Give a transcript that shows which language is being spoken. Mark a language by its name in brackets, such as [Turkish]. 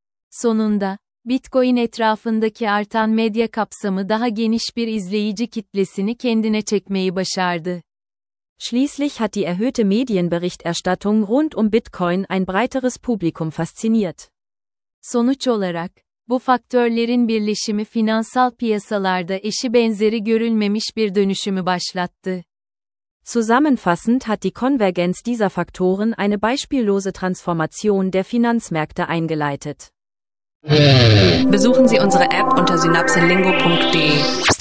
[Turkish] Sonunda, Bitcoin etrafındaki artan medya kapsamı daha geniş bir izleyici kitlesini kendine çekmeyi başardı. [German] Schließlich hat die erhöhte Medienberichterstattung rund um Bitcoin ein breiteres Publikum fasziniert. [Turkish] Sonuç olarak, bu faktörlerin birleşimi finansal piyasalarda eşi benzeri görülmemiş bir dönüşümü başlattı. [German] Zusammenfassend hat die Konvergenz dieser Faktoren eine beispiellose Transformation der Finanzmärkte eingeleitet. Besuchen Sie unsere App unter synapsenlingo.de.